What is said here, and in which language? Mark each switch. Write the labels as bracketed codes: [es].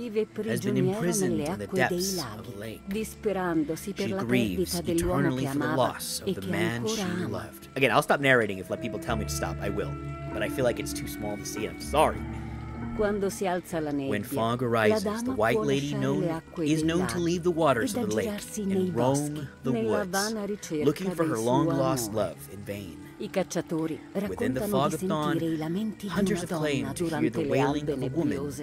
[it] vive prigioniero nelle acque dei laghi, disperandosi per la perdita dell'uomo che amava e che ancora ama. [en] Again, I'll stop narrating if let people tell me to stop. I will, but I feel like it's too small to see. I'm sorry. [it] Quando si alza la nebbia, [en] when fog arises, the white lady is known to leave the waters of the lake and roam the woods, looking for her long-lost love in vain. [it] I cacciatori raccontano di sentire i lamenti di una donna durante le albe nebbiose.